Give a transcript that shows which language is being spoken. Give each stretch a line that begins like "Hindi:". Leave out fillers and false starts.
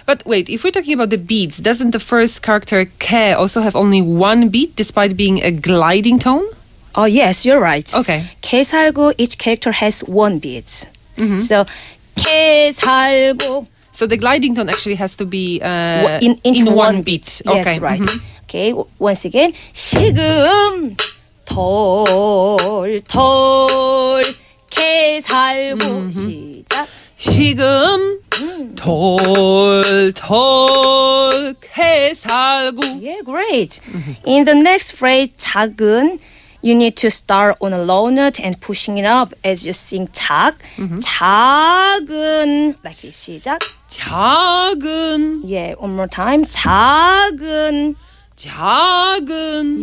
English: But wait, if we're talking about the beats, doesn't the first character 개 also have only one beat despite being a gliding tone? Oh, yes, you're right. Okay. 개살구, each character has one beat. So 개살구 So the gliding tone actually has to be in one beat. Okay. Yes, right. Okay, once again.
Korean: 시금 톨톨 개살구 시작 시금 톨톨 개살구
English: Yeah, great. In the next phrase, 작은 you need to start on a low note and pushing it up as you sing 작. 작은, like this, 시작.
Korean: 작은.
English: Yeah, one more time. 작은.
Korean: 작은.